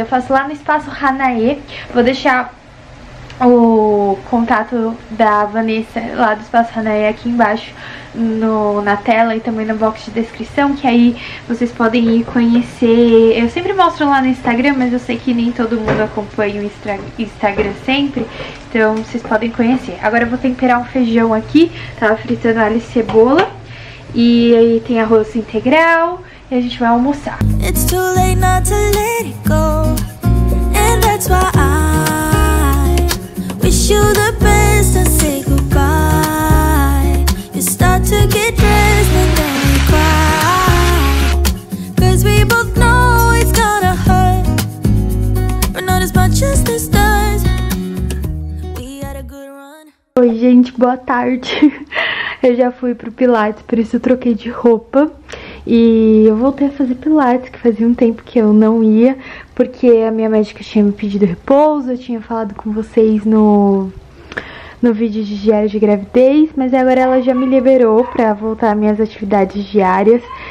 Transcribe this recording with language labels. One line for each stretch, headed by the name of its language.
Portuguese: Eu faço lá no espaço Hanae. Vou deixar o contato da Vanessa lá do espaço Hanae aqui embaixo na tela e também no box de descrição, que aí vocês podem ir conhecer. Eu sempre mostro lá no Instagram, mas eu sei que nem todo mundo acompanha o Instagram sempre, então vocês podem conhecer. Agora eu vou temperar um feijão aqui, tava fritando alho e cebola. E aí tem arroz integral e a gente vai almoçar.
English: It's too late not to let it go. And that's why I wish you the best and say goodbye. You start to get dressed and then you cry. Cause we both know it's gonna hurt. But not as much as this does. We had a good run.
Portuguese: Oi, gente, boa tarde. Eu já fui pro Pilates, por isso eu troquei de roupa. E eu voltei a fazer Pilates, que fazia um tempo que eu não ia, porque a minha médica tinha me pedido repouso, eu tinha falado com vocês no vídeo de diário de gravidez, mas agora ela já me liberou pra voltar às minhas atividades diárias.